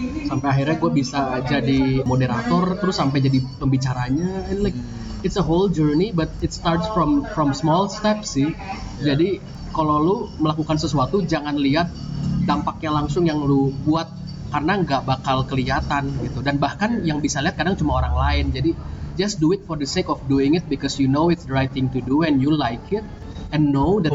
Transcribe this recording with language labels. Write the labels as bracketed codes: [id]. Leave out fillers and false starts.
[id] Sampai akhirnya gua bisa jadi moderator, terus sampai jadi pembicaranya. [en] And like it's a whole journey, but it starts from small steps [id] sih. [en] Yeah. [id] Jadi kalau lu melakukan sesuatu, jangan lihat dampaknya langsung yang lu buat, karena nggak bakal kelihatan gitu. Dan bahkan yang bisa lihat kadang cuma orang lain. Jadi [en] just do it for the sake of doing it, because you know it's the right thing to do and you like it, and know that